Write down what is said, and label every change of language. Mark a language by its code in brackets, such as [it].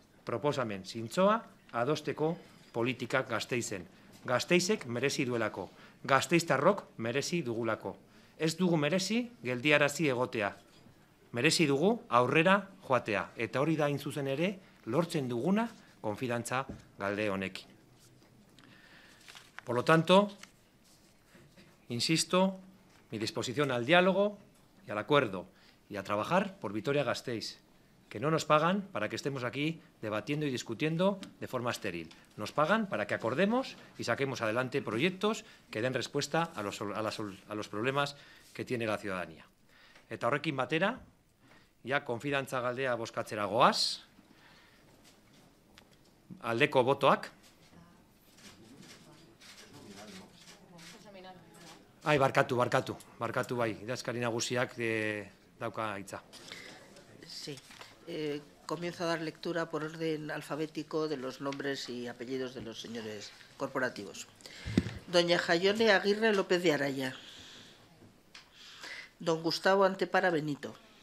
[eu] Proposamen zintzoa adosteko politikak Gasteizen. Gasteizek merezi duelako. Gasteiztarrok merezi dugulako. Ez dugu merezi geldiarazi egotea. Merezi dugu aurrera joatea. Eta hori da hain zuzen ere lortzen duguna konfidantza galde honekin. [es] Por lo tanto, insisto, mi disposición al diálogo y al acuerdo y a trabajar por Vitoria-Gasteiz, que no nos pagan para que estemos aquí debatiendo y discutiendo de forma estéril. Nos pagan para que acordemos y saquemos adelante proyectos que den respuesta a los problemas que tiene la ciudadanía. [eu] Eta horrekin batera, ya konfidantza galdea bozkatzera goaz, aldeko botoak. Ai, barkatu bai, idazkari nagusiak dauka hitza. [es] Sí, comienzo a dar lectura por orden alfabético de los nombres y apellidos de los señores corporativos. Doña Jaione Aguirre López de Araya. Don Gustavo Antepara Benito.